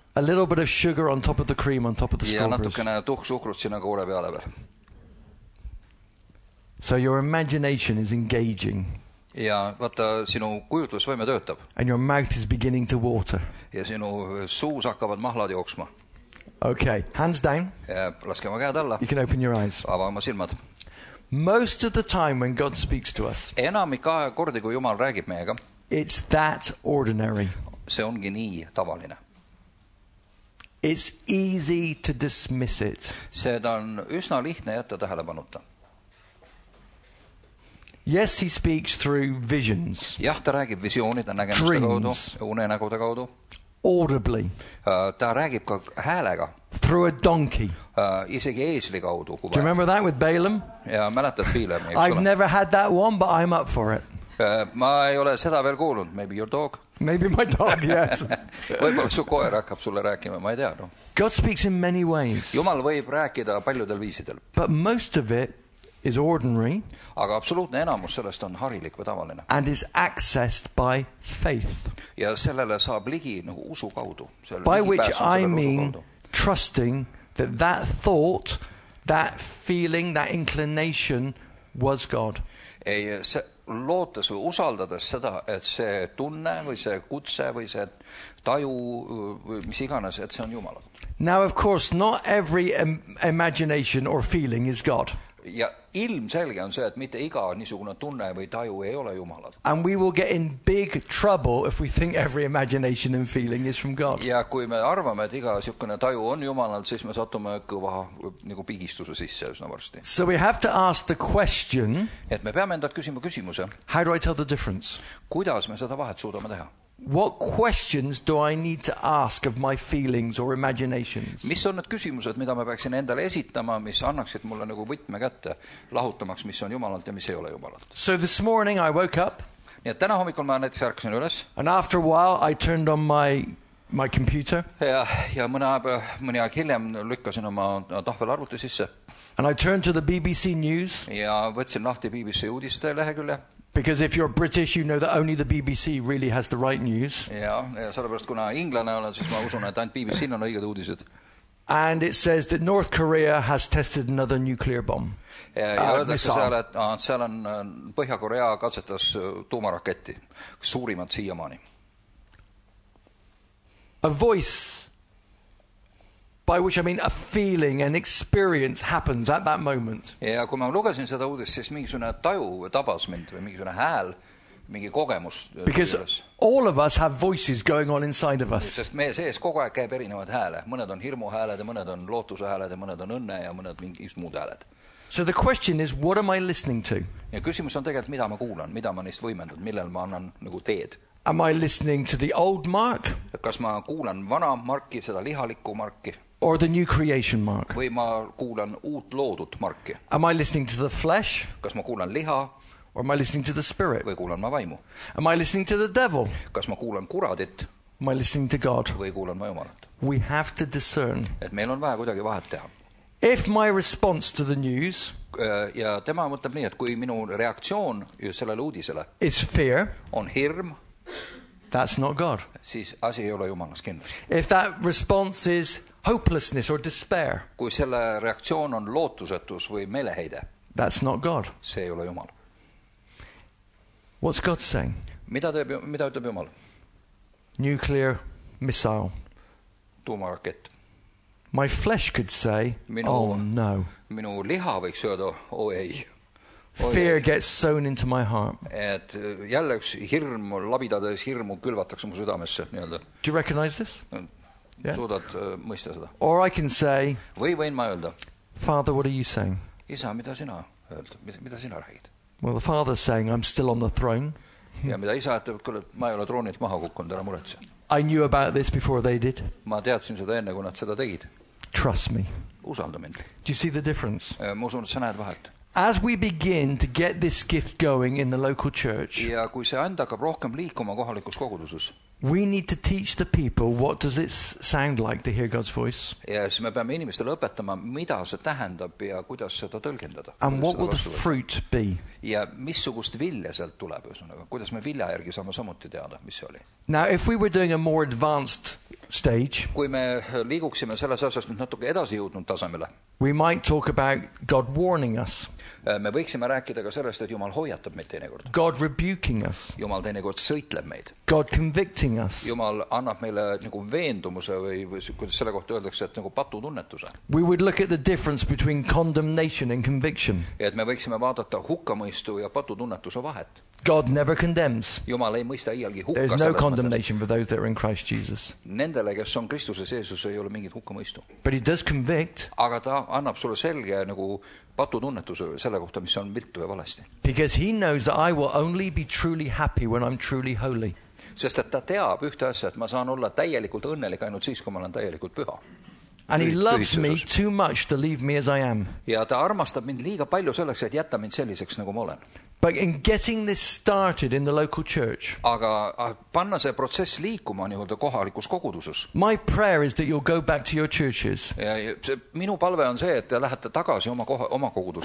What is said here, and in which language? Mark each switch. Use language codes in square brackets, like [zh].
[en] A little bit of sugar on top of the cream on top of the strawberries. [et] Ja natukene tuhksuhkrut sinna kuule peale veel. [en] So your imagination is engaging. [et] Ja vaata, sinu kujutlusvõime töötab. [en] And your mouth is beginning to water. [et] Ja sinu suus hakkavad mahlad jooksma. [en] Okay, hands down. [et] Ja laske oma käed alla. [en] You can open your eyes. [et] Ava oma silmad. [en] Most of the time when God speaks to us, [et] enamik aega kordi, kui Jumal räägib meiega, [en] it's that ordinary. [et] See ongi nii tavaline. [en] It's easy to dismiss it. [et] See on üsna lihtne jätta tähelepanuta. [en] Yes, he speaks through visions. [et] Jah, ta räägib visioonide nägemiste kaudu, unenägude kaudu. [en] Audibly. [et] Ta räägib ka häälega. [en] Through a donkey. [et] Isegi eesli kaudu. [en] Do you remember that with Balaam? [et] Ja mäletad Balaam. [en] I've never had that one, but I'm up for it. [et] Ma ei ole seda veel kuulnud. [en] Maybe your dog. Maybe my dog, yes. [et] Võibolla su koer hakkab sulle rääkima, ma ei tea. [en] God speaks in many ways. [et] Jumal võib rääkida paljudel viisidel. [en] But most of it is ordinary. [et] Aga absoluutne enamus sellest on harilik või tavaline. [en] And is accessed by faith. [et] Ja sellele saab ligi nagu usu kaudu. [en] By which I mean trusting that that thought, that feeling, that inclination was God. [et] Ei see lootes või usaldades seda, et see tunne või see kutse või see taju või mis iganes, et see on Jumal. [en] Now of course not every imagination or feeling is God. [et] ja ilmselge on see, et mitte iga niisugune tunne või taju ei ole Jumalat. [en] And we will get in big trouble if we think every imagination and feeling is from God. [et] Ja kui me arvame, et iga niisugune taju on Jumalalt, siis me satume kõva nagu pigistuse sisse üsna varsti. [en] So we have to ask the question, [et] et me peame endalt küsima küsimuse. [en] How do I tell the difference? [et] Kuidas me seda vahet suudame teha? [en] What questions do I need to ask of my feelings or imaginations? [et] Mis on need küsimused, mida ma peaksin endale esitama, mis annaksid mulle nagu võtme kätte, lahutamaks, mis on Jumalalt ja mis ei ole Jumalalt? [en] So this morning I woke up. [et] Nii et täna hommikul ma näiteks ärkasin üles. [en] And after a while I turned on my computer. [et] Ja mõni aeg hiljem lükkasin oma tahvel arvuti sisse. [en] And I turned to the BBC News. [et] Ja võtsin lahti BBC uudiste lehekülje. [en] Because if you're British, you know that only the BBC really has the right news. [et] Ja sellepärast, kuna inglane olen, siis ma usun, et ainult BBC on õiged uudised. [en] And it says that North Korea has tested another nuclear bomb. [et] Seal on Põhja-Korea katsetas tuumaraketti, suurimalt siiamaani. [en] A voice, by which I mean a feeling and experience happens at that moment. [et] Ja kui ma lugesin seda uudest, siis mingisugune taju tabas mind või mingisugune hääl, mingi kogemus. [en] Because all of us have voices going on inside of us. [et] Sest meie sees kogu aeg käib erinevad hääle. Mõned on hirmu hääled ja mõned on lootuse hääled ja mõned on õnne ja mõned mingist muud hääled. [en] So the question is, what am I listening to? [et] Ja küsimus on tegelikult, mida ma kuulan, mida ma neist võimendud, millel ma annan nagu teed. [en] Am I listening to the old mark? [et] Kas ma kuulan vana marki, seda lihaliku marki? [en] Or the new creation mark. [et] Või ma kuulan uut loodut marki. [en] Am I listening to the flesh? [et] Kas ma kuulan liha? [en] Or am I listening to the spirit? [et] Või kuulan ma vaimu. [en] Am I listening to the devil? [et] Kas ma kuulan kuradit? [en] Am I listening to God? [et] Või kuulan ma Jumalat. [en] We have to discern. [et] Et meil on vaja kuidagi vahet teha. [en] If my response to the news [et] ja tema mõtleb nii, et kui minu reaktsioon sellele uudisele [en] is fear, [et] on hirm, [en] that's not God. [et] Siis asi ei ole Jumalas kindlasti. [en] If that response is hopelessness or despair. [et] Kui selle reaktsioon on lootusetus või meeleheide. [en] That's not God. [et] See ei ole Jumal. [en] What's God saying? [et] Mida ütleb Jumal? [en] Nuclear missile. [et] Tuumarakett. [en] My flesh could say, oh no. [et] Minu liha võiks öelda, oh ei. [en] Fear gets sown into my heart. [et] Et jälle üks hirm, labidades hirmu külvatakse mu südamesse. [en] Do you recognize this? Yeah. [et] Suudad mõista seda. [en] Or I can say, [et] või võin ma öelda, [en] Father, what are you saying? [et] Isa, mida sina öeld? Mida sina räägid? [en] Well, the Father's saying, I'm still on the throne. [et] Ja mida isa ütleb, et ma ei ole troonilt maha kukkunud, ära muretse. [en] I knew about this before they did. [et] Ma teadsin seda enne, kui nad seda tegid. [en] Trust me. [et] Usalda mind. [en] Do you see the difference? [et] Ma usun, et sa näed vahet. [en] As we begin to get this gift going in the local church, [et] ja kui see anda hakkab rohkem liikuma kohalikus koguduses, [en] we need to teach the people what does it sound like to hear God's voice. Yes, [et] me peame inimestele õpetama, mida see tähendab ja kuidas seda tõlgendada. [en] And what will the fruit be? [et] Ja missugust vilja sealt tuleb? Kuidas me vilja järgi saame samuti teada, mis see oli? [en] Now, if we were doing a more advanced stage, [et] kui me liiguksime selles asjas nüüd natuke edasi jõudnud tasemele, [en] we might talk about God warning us. [et] Me võiksime rääkida ka sellest, et Jumal hoiatab meid teinekord. [en] God rebuking us. [et] Jumal teinekord sõitleb meid. [en] God convicting us. [et] Jumal annab meile nagu veendumuse või kuidas selle kohta öeldakse, et nagu patu tunnetuse. [en] We would look at the difference between condemnation and conviction. [et] Et me võiksime vaadata hukkamõistu ja patu tunnetuse vahet. [en] God never condemns. [et] Jumal ei mõista iialgi hukka. [en] There is no condemnation for those that are in Christ Jesus. [et] Nendele, kes on Kristuses Jeesus, ei ole mingit hukkamõistu. [en] But he does convict. [et] Aga ta annab sulle selge nagu patu tunnetuse selle kohta, mis on viltu ja valesti. [en] Because he knows that I will only be truly happy when I'm truly holy. [et] Sest et ta teab ühte asja, et ma saan olla täielikult õnnelik ainult siis, kui ma olen täielikult püha. [en] And he loves me too much to leave me as I am. [et] Ja ta armastab mind liiga palju selleks, et jätta mind selliseks, nagu ma olen. [en] But in getting this started in the local church. [et] Aga panna see protsess liikuma nii-öelda kohalikus koguduses. [en] My prayer is that you'll go back to your churches. [et] Ja minu palve on see, et te lähete tagasi oma kogudusesse.